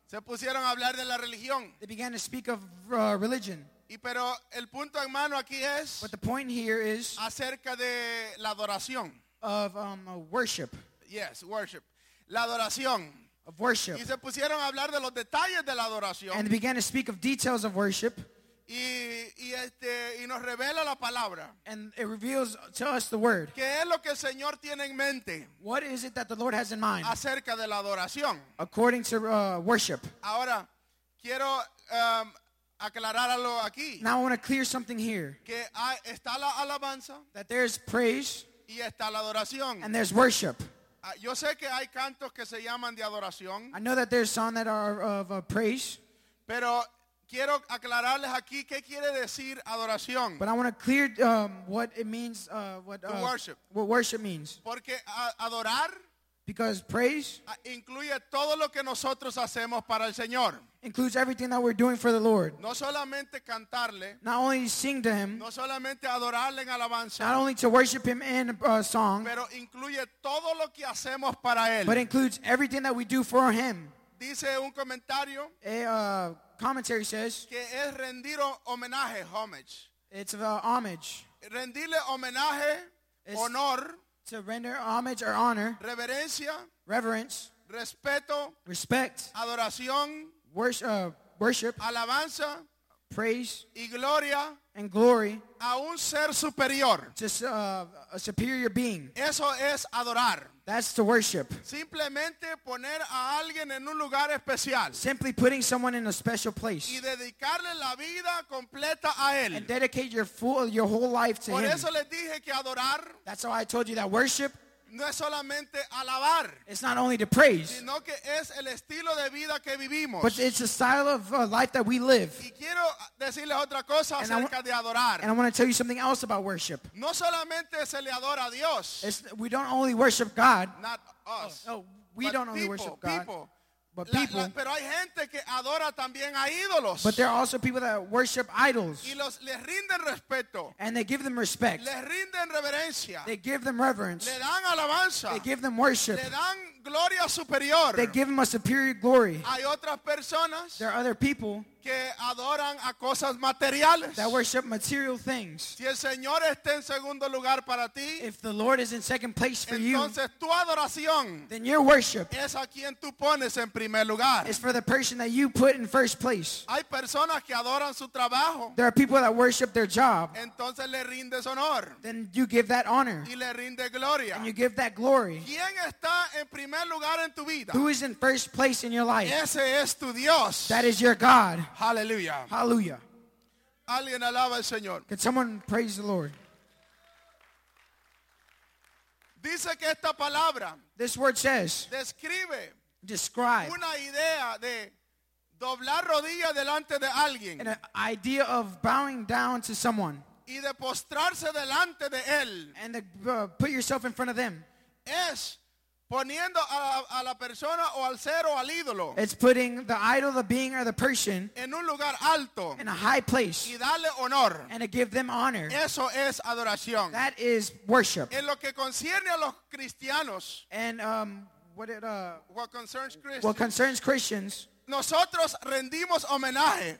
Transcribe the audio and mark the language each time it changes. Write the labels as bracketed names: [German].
[Spanish] Se pusieron a hablar de la religión. [English] They began to speak of religion. [Spanish] Y pero el punto, hermano, aquí es, [English] but the point here is [Spanish] acerca de la adoración. [English] Of worship. Yes, worship. [Spanish] La adoración. [English] Of worship. [Spanish] Y se pusieron a hablar de los detalles de la adoración. [English] And they began to speak of details of worship. [Spanish] Y nos revela la palabra. [English] And it reveals to us the word. [Spanish] ¿Qué es lo que el Señor tiene en mente? [English] What is it that the Lord has in mind? [Spanish] Acerca de la adoración. [English] According to worship. [Spanish] Ahora quiero aclarar algo aquí. [English] Now I want to clear something here. [Spanish] Que hay, está la alabanza. [English] That there is praise. [Spanish] Y está la adoración. [English] And there's worship. [Spanish] Yo sé que hay cantos que se llaman de adoración. [English] I know that there's songs that are of praise. [Spanish] Pero quiero aclararles aquí qué quiere decir adoración. [English] But I want to clear what it means, worship. What worship means. [Spanish] Porque adorar. [English] Because praise. [Spanish] Incluye todo lo que nosotros hacemos para el Señor. [English] Includes everything that we're doing for the Lord. [Spanish] No solamente cantarle. [English] Not only sing to Him. [Spanish] No solamente adorarle en alabanza. [English] Not only to worship Him in a song. [Spanish] Pero incluye todo lo que hacemos para Él. [English] But includes everything that we do for Him. [Spanish] Dice un comentario. [English] Commentary says [Spanish] que es rendir homenaje, homage. [English] It's a homage. [Spanish] Rendirle homenaje, [English] it's honor. To render homage or honor. [Spanish] Reverencia. [English] Reverence. [Spanish] Respeto. [English] Respect. [Spanish] Adoración. [English] Worship. [Spanish] Alabanza. [English] Praise. [Spanish] Y gloria. [English] And glory. [Spanish] A un ser superior. [English] Just a superior being. [Spanish] Eso es adorar. [English] That's to worship. [Spanish] Simplemente poner a alguien en un lugar especial. [English] Simply putting someone in a special place. [Spanish] Y dedicarle la vida completa a él. [English] And dedicate your whole life to [Spanish] por [English] him. [Spanish] Eso les dije que adorar. [English] That's why I told you that worship. [Spanish] No es solamente alabar. [English] It's not only to praise. [Spanish] Sino que es el estilo de vida que vivimos. [English] But it's a style of life that we live. [Spanish] Y quiero decirles otra cosa acerca de adorar. [English] And I want to tell you something else about worship. [Spanish] No solamente se le adora a Dios. [English] We don't only worship God. Not us. No, we don't only worship God. But people. [Spanish] Pero hay gente que adora también a ídolos. [English] But there are also people that worship idols. [Spanish] Y les rinden respeto. [English] And they give them respect. [Spanish] Les rinden reverencia. [English] They give them reverence. [Spanish] Le dan alabanza. [English] They give them worship. [Spanish] Le dan gloria superior. [English] They give them a superior glory. [Spanish] Hay otras personas. [English] There are other people. [Spanish] Que adoran a cosas materiales. [English] That worship material things. [Spanish] Si el Señor está en segundo lugar para ti, [English] if the Lord is in second place for [Spanish] entonces, [English] you, [Spanish] entonces tu adoración, [English] then your worship, [Spanish] es a quien tú pones en primer lugar. [English] Is for the person that you put in first place. [Spanish] Hay personas que adoran su trabajo. [English] There are people that worship their job. [Spanish] Entonces le rindes honor. [English] Then you give that honor. [Spanish] Y le rinde gloria. [English] And you give that glory. [Spanish] ¿Quién está en primer lugar en tu vida? [English] Who is in first place in your life? [Spanish] Ese es tu Dios. [English] That is your God. Hallelujah. Hallelujah. [Spanish] Alguien alaba al Señor. [English] Can someone praise the Lord? [Spanish] Dice que esta palabra, [English] this word says, [Spanish] describe, [English] describe [Spanish] una idea de doblar rodillas delante de alguien. [English] An idea of bowing down to someone. [Spanish] Y de postrarse delante de él. [English] And to put yourself in front of them. [Spanish] Es poniendo a la persona o al ser o al ídolo. [English] It's putting the idol, the being, or the person [Spanish] en un lugar alto. [English] In a high place. [Spanish] Y darle honor. [English] And to give them honor. [Spanish] Eso es adoración. [English] That is worship. [Spanish] En lo que concierne a los cristianos. [English] And what concerns Christians. [Spanish] Nosotros rendimos homenaje.